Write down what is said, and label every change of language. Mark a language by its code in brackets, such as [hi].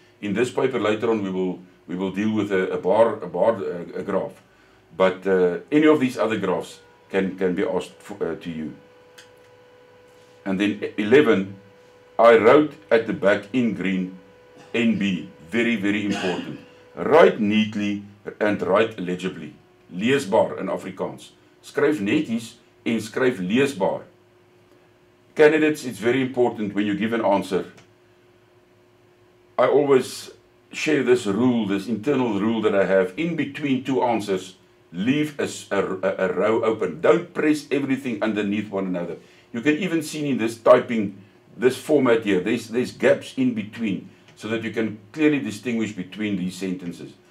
[en] In this paper later on, we will deal with a bar graph. But any of these other graphs can be asked to you. And then 11, I wrote at the back in green, NB, very, very important. Write neatly and write legibly. [af] Leesbaar in Afrikaans. Skryf netjies en skryf leesbaar. [en] Candidates, it's very important when you give an answer. I always share this rule, this internal rule that I have in between two answers. Leave a row open. Don't press everything underneath one another. You can even see in this typing, this format here, there's gaps in between so that you can clearly distinguish between these sentences.